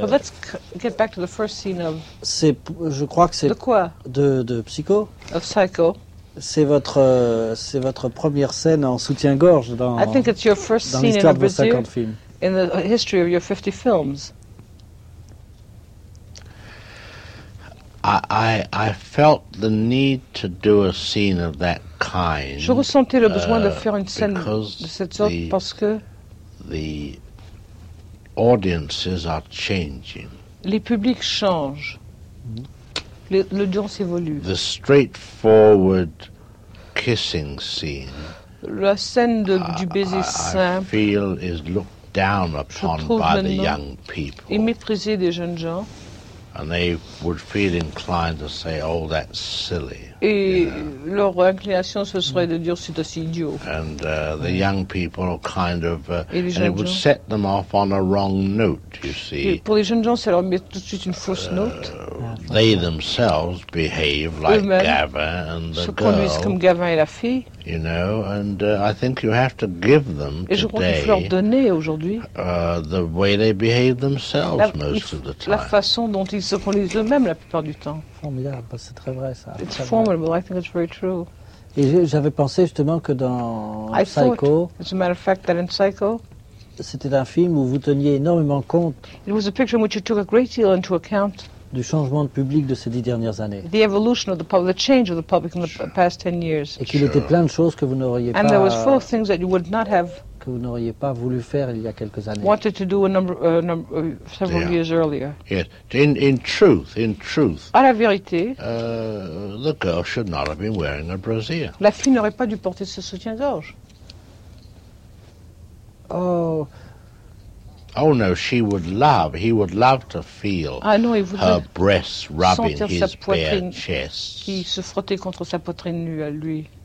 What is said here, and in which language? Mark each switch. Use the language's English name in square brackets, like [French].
[English] But let's get back to the first scene of. [French] C'est, je crois que c'est. De quoi? De Psycho. [English] Of Psycho. [French] C'est votre première scène en soutien-gorge dans. [English] I think it's your first [French] dans [English] scene [French] l'histoire [English] in [French] de vos 50 films. [English] In the history of your 50 films. I felt the need to do a scene of that kind. [French] Je ressentais le besoin de faire une scène de cette sorte parce que [English] the audiences are changing. [French] Les publics changent. L'audience évolue. [English] The straightforward kissing scene. [French] La scène du baiser simple. [English] I feel is looked down upon by the young people. [French] Et méprisé des jeunes gens. [English] And they would feel inclined to say, "Oh, that's silly." [French] Et leur inclination ce serait de dire, c'est aussi idiot. [English] And the young people are kind of, and it would [French] gens. [English] Set them off on a wrong note, you see. [French] Et pour les jeunes gens, ça leur met tout de suite une fausse note. [English] They themselves behave like [French] eux-mêmes [English] Gavin and the [French] se Se conduisent comme Gavin et la fille. [English] You know, and I think you have to give them [French] et Et je crois qu'il faut leur donner aujourd'hui. [English] The way they behave themselves most of the time. [French] La façon dont ils se conduisent eux-mêmes la plupart du temps. Formidable, c'est très vrai ça. [English] It's formidable, I think it's very true. [French] Et j'avais pensé justement que dans Psycho, [English] as a matter of fact, that in Psycho, [French] c'était un film où vous teniez énormément compte. [English] It was a picture in which you took a great deal into account. [French] Du changement de public de ces 10 dernières années. [English] The evolution of the public, the change of the public in the past 10 years. [French] Et qu'il était plein de choses que vous n'auriez pas. [English] And there was full of things that you would not have. [French] Que vous n'auriez pas voulu faire il y a quelques années. [English] Wanted to do a number several yeah. years earlier. Yes, in truth. [French] À la vérité. [English] The girl should not have been wearing a brassiere. [French] La fille n'aurait pas dû porter ce soutien-gorge. [English] Oh no, he would love to feel her breasts rubbing his bare chest. [French] Qui se frottait contre sa poitrine nue à lui.